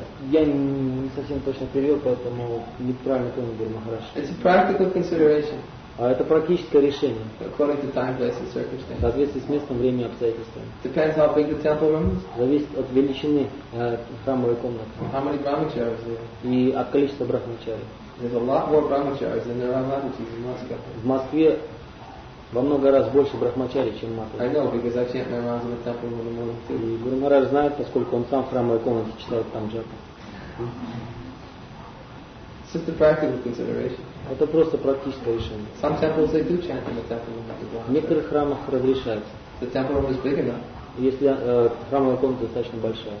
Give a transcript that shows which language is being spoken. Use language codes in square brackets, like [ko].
[ru] Я не совсем точно перевел, поэтому неправильно понял Гуру Махарадж. [en] It's a practical consideration. [ru] Это практическое решение. [en] According to time, place, and circumstances. [ru] В соответствии с местом, временем, обстоятельствами. [en] Depends how big the temple room is. [ru] Зависит от величины храмовой комнаты. [en] And how many brahmacharis there? [ru] И от количества брахмачари. [en] There's a lot more brahmacharis than there are matajis in Moscow. [ru] В Москве во много раз больше брахмачари, чем матаджи. [en] I know, because I chant my rounds in the temple room in the morning too. [ru] И Гуру Махарадж знает, поскольку он сам в храмовой комнате читает там джапу. [en] It's just a practical consideration. [ru] Это просто практическое решение. [en] Some temples they do chant in the temple room with the brahmacharis. [ru] В некоторых храмах разрешается. [en] The temple room is big enough. [ru] Если храмовая комната достаточно большая.